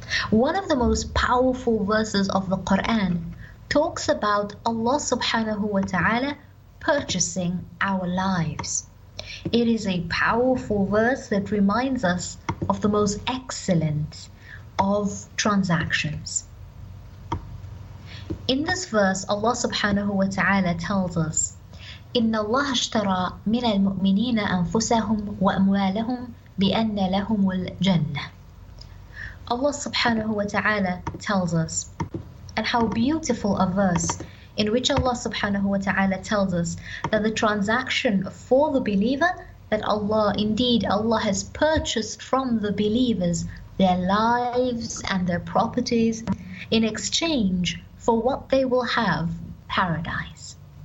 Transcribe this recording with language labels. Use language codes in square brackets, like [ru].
[en] One of the most powerful verses of the Quran talks about Allah subhanahu wa ta'ala purchasing our lives. It is a powerful verse that reminds us of the most excellent of transactions. In this verse, Allah subhanahu wa ta'ala tells us, [ar] إِنَّ اللَّهَ اشْتَرَى مِنَ الْمُؤْمِنِينَ أَنفُسَهُمْ وَأَمْوَالَهُمْ بِأَنَّ لَهُمُ الْجَنَّةِ. [en] Allah subhanahu wa ta'ala tells us, and how beautiful a verse in which Allah subhanahu wa ta'ala tells us that the transaction for the believer, that Allah, indeed Allah has purchased from the believers their lives and their properties in exchange for what they will have, paradise.